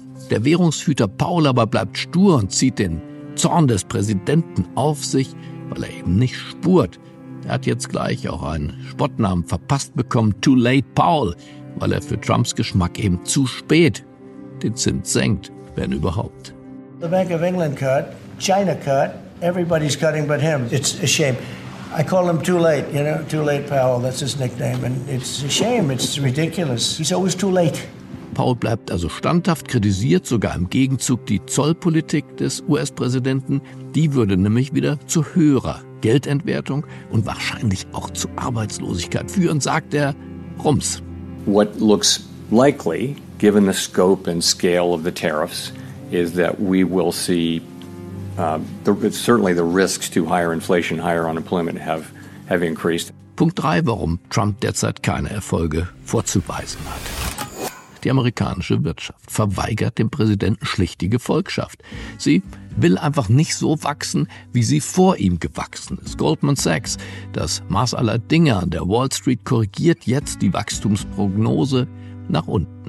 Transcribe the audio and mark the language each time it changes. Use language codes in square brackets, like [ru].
[de] Der Währungshüter Powell aber bleibt stur und zieht den Zorn des Präsidenten auf sich, weil er eben nicht spurt. Er hat jetzt gleich auch einen Spottnamen verpasst bekommen, Too Late Powell, weil er für Trumps Geschmack eben zu spät den Zins senkt, wenn überhaupt. [en] The Bank of England cut, China cut, everybody's cutting but him. It's a shame. I call him too late, you know, too late Powell, that's his nickname. And it's a shame, it's ridiculous. He's always too late. [de] Powell bleibt also standhaft, kritisiert sogar im Gegenzug die Zollpolitik des US-Präsidenten. Die würde nämlich wieder zu höherer Geldentwertung und wahrscheinlich auch zu Arbeitslosigkeit führen, sagt er. Rums. [en] What looks likely, given the scope and scale of the tariffs, is that we will see certainly the risks to higher inflation, higher unemployment have increased. [de] Punkt 3, warum Trump derzeit keine Erfolge vorzuweisen hat. Die amerikanische Wirtschaft verweigert dem Präsidenten schlicht die Gefolgschaft. Sie will einfach nicht so wachsen, wie sie vor ihm gewachsen ist. Goldman Sachs, das Maß aller Dinge an der Wall Street, korrigiert jetzt die Wachstumsprognose nach unten.